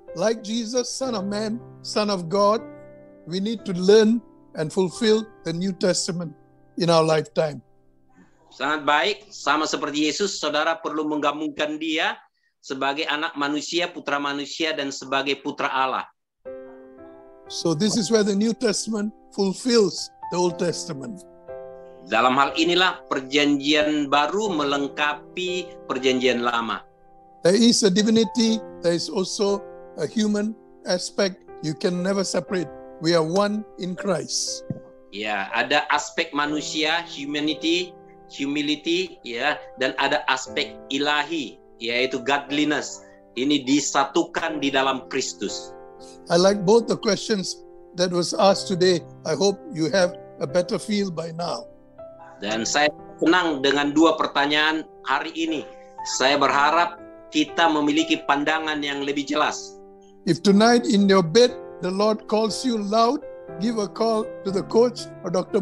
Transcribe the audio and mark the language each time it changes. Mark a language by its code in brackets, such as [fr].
[en] Like Jesus, Son of Man, Son of God, we need to learn and fulfill the New Testament in our lifetime. [id] Sangat baik, sama seperti Yesus, saudara perlu menggabungkan dia sebagai anak manusia, putra manusia, dan sebagai putra Allah. [en] So this is where the New Testament fulfills the Old Testament. [id] Dalam hal inilah perjanjian baru melengkapi perjanjian lama. [en] There is a divinity, there is also a human aspect, You can never separate. We are one in Christ. [id] Ya, ada aspek manusia, humanity, humility, ya, dan ada aspek ilahi, yaitu godliness. Ini disatukan di dalam Kristus. [en] I like both the questions that was asked today. I hope you have a better feel by now. [id] Dan saya senang dengan dua pertanyaan hari ini. Saya berharap kita memiliki pandangan yang lebih jelas. [en] If tonight in your bed the Lord calls you loud, give a call to the coach or Dr.